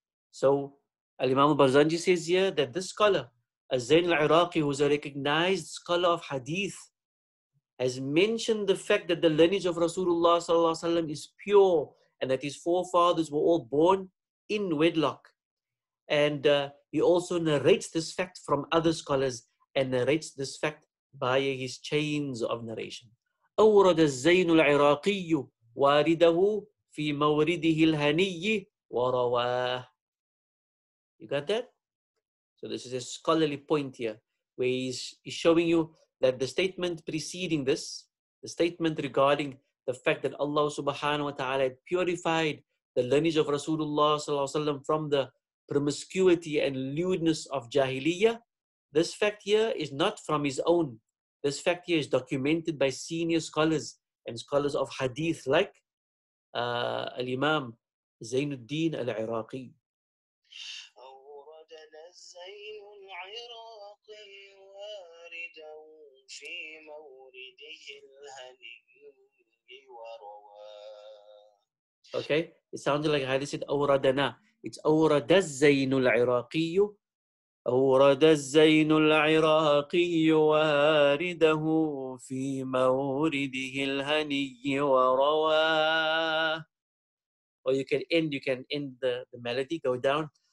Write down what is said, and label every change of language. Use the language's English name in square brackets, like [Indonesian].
[English] So Imam al-Barzanji says here that this scholar, Az-Zayn al-Iraqi, who is a recognized scholar of hadith, has mentioned the fact that the lineage of Rasulullah sallallahu alaihi wasallam is pure, and that his forefathers were all born in wedlock. And he also narrates this fact from other scholars and narrates this fact by his chains of narration. [Arabic] أورد الزين العراقي وارده في مورده الهني ورواه. [English] You got that? So this is a scholarly point here, where he's showing you that the statement preceding this, the statement regarding the fact that Allah subhanahu wa ta'ala had purified the lineage of Rasulullah sallallahu alaihi wasallam from the promiscuity and lewdness of Jahiliyyah, this fact here is not from his own. This fact here is documented by senior scholars and scholars of hadith like [Arabic] الإمام زين الدين العراقي. أوردنا الزين العراقي واردا في مورده الهني وروى. [English] Okay, it sounded like Hadith said أوردنا. It's [Arabic] أورد الزين العراقي. أورد الزين العراقي وارده في مورده الهني وروى. [English] Or you can end, the melody, go down.